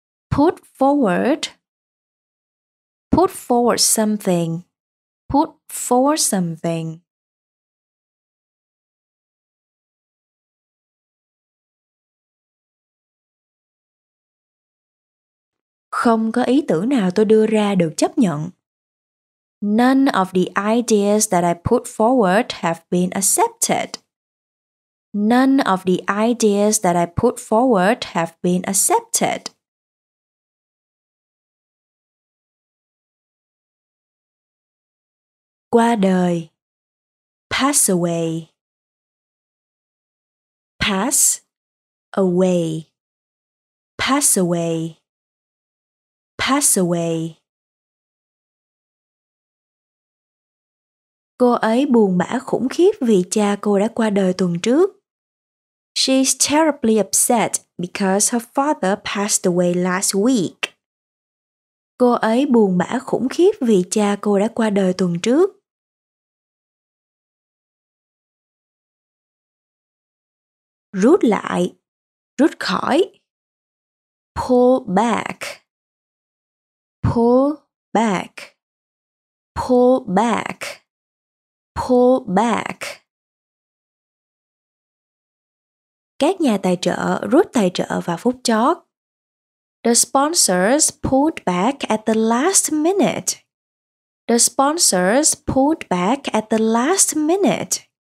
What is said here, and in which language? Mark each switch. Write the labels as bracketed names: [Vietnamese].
[English] Put forward. Put forward something. Put forward something. [Vietnamese] Không có ý tưởng nào tôi đưa ra được chấp nhận. [English] None of the ideas that I put forward have been accepted. None of the ideas that I put forward have been accepted. [Vietnamese] Qua đời. [English] Pass away. Pass away. Pass away. Pass away. [Vietnamese] Cô ấy buồn bã khủng khiếp vì cha cô đã qua đời tuần trước. [English] She's terribly upset because her father passed away last week. [Vietnamese] Cô ấy buồn bã khủng khiếp vì cha cô đã qua đời tuần trước. Rút lại, rút khỏi. [English] Pull back. Pull back. Pull back. Pull back. [Vietnamese] Các nhà tài trợ rút tài trợ vào phút chót. [English] The sponsors pulled back at the last minute. The sponsors pulled back at the last minute.